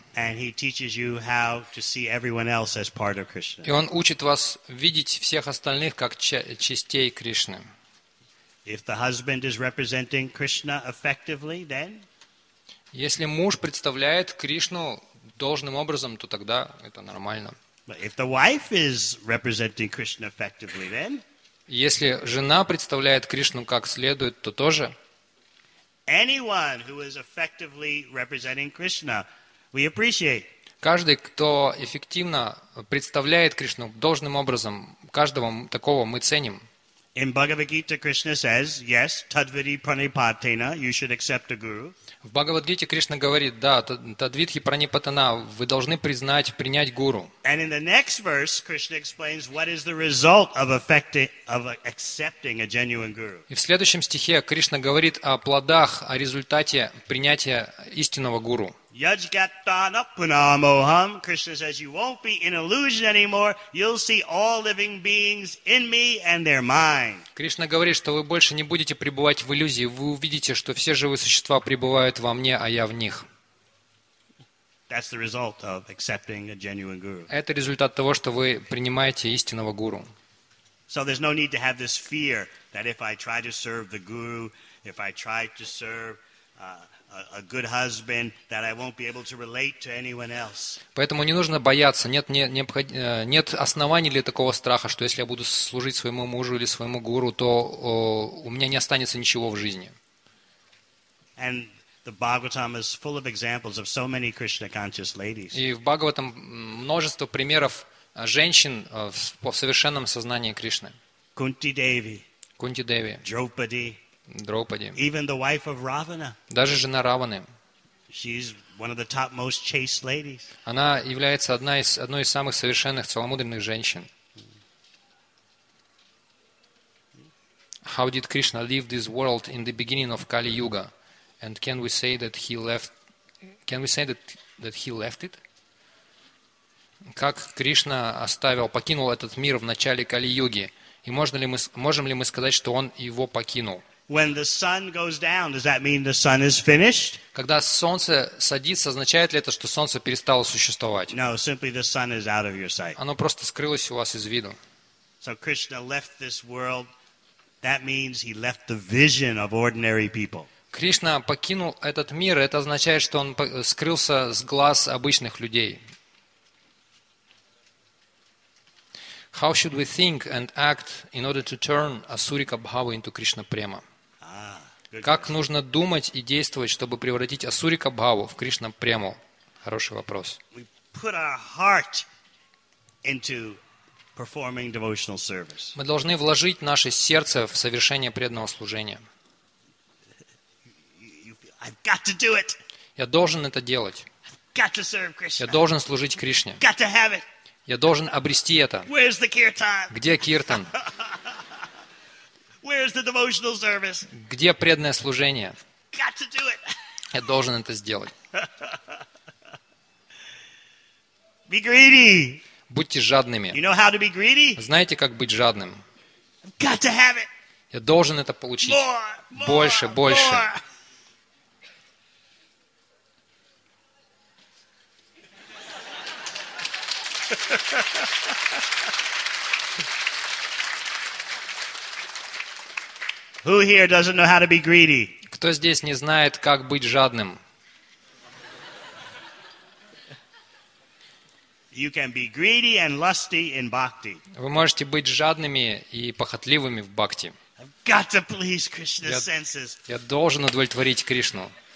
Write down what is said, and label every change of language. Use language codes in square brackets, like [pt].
[en] And he teaches you how to see everyone else as part of Krishna. [ru] И он учит вас видеть всех остальных как частей Кришны. [en] If the husband is representing Krishna effectively, then? [ru] Если муж представляет Кришну должным образом, то тогда это нормально. [en] But if the wife is representing Krishna effectively, then? [ru] Если жена представляет Кришну как следует, то тоже. [en] Anyone who is effectively representing Krishna, we appreciate. [ru] Каждый, кто эффективно представляет Кришну должным образом, каждого такого мы ценим. [en] In Bhagavad Gita, Krishna says, "Yes, [sa] tadvidhi pranipatena, [en] you should accept a guru." [ru] В Бхагавад Гите Кришна говорит: "Да, [sa] тадвидхи пранипатена, [ru] вы должны признать, принять гуру." [en] And in the next verse, Krishna explains what is the result of accepting a genuine guru. [ru] И в следующем стихе Кришна говорит о плодах, о результате принятия истинного гуру. [sa] Yajgatana punamoham. [en] Krishna says, "You won't be in illusion anymore. You'll see all living beings in me, and they're mine." [ru] Кришна говорит, что вы больше не будете пребывать в иллюзии. Вы увидите, что все живые существа пребывают во мне, а я в них. [en] That's the result of accepting a genuine guru. [ru] Это результат того, что вы принимаете истинного гуру. [en] So there's no need to have this fear that if I try to serve the guru, if I try to serve a good husband, that I won't be able to relate to anyone else. [ru] Поэтому не нужно бояться. Нет оснований для такого страха, что если я буду служить своему мужу или своему гуру, то у меня не останется ничего в жизни. [en] And the Bhagavatam is full of examples of so many Krishna conscious ladies. [ru] И в Бхагаватам множество примеров женщин в совершенном сознании Кришны. Кунти Деви. Драупади. [en] Even the wife of Ravana. [ru] Даже жена Раваны. [en] She's one of the top most chaste ladies. [ru] Она является одной из самых совершенных целомудренных женщин. [en] How did Krishna leave this world in the beginning of Kali Yuga? And can we say that he left? Can we say that he left it? [ru] Как Кришна покинул этот мир в начале Кали Юги? И можем ли мы сказать, что он его покинул? [en] When the sun goes down, does that mean the sun is finished? [ru] Когда солнце садится, означает ли это, что солнце перестало существовать? [en] No, simply the sun is out of your sight. [ru] Оно просто скрылось у вас из виду. [en] So Krishna left this world. That means he left the vision of ordinary people. [ru] Кришна покинул этот мир. Это означает, что он скрылся с глаз обычных людей. [en] How should we think and act in order to turn Asurika Bhava into Krishna Prema? [ru] Как нужно думать и действовать, чтобы превратить Асурика Бхаву в Кришна Прему? Хороший вопрос. [en] We put our heart into performing devotional service. [ru] Мы должны вложить наше сердце в совершение преданного служения. [en] I've got to do it. [ru] Я должен это делать. [en] I've got to serve Krishna. [ru] Я должен служить Кришне. [en] Got to have it. [ru] Я должен обрести это. [en] Where's the kirtan? [ru] Где киртан? [en] Where's the devotional service? [ru] Где преданное служение? [en] Got to do it. [ru] Я должен это сделать. [en] Be greedy. [ru] Будьте жадными. [en] You know how to be greedy? [ru] Знаете, как быть жадным? [en] Got to have it. [ru] Я должен это получить. [en] More, [ru] больше, [en] more, [ru] больше. [en] More. Who here doesn't know how to be greedy? [ru] Кто здесь не знает, как быть жадным? [en] You can be greedy and lusty in bhakti. [ru] Вы можете быть жадными и похотливыми в бхакти. [en] I've got to please Krishna's senses. [ru] Я должен удовлетворить Кришну.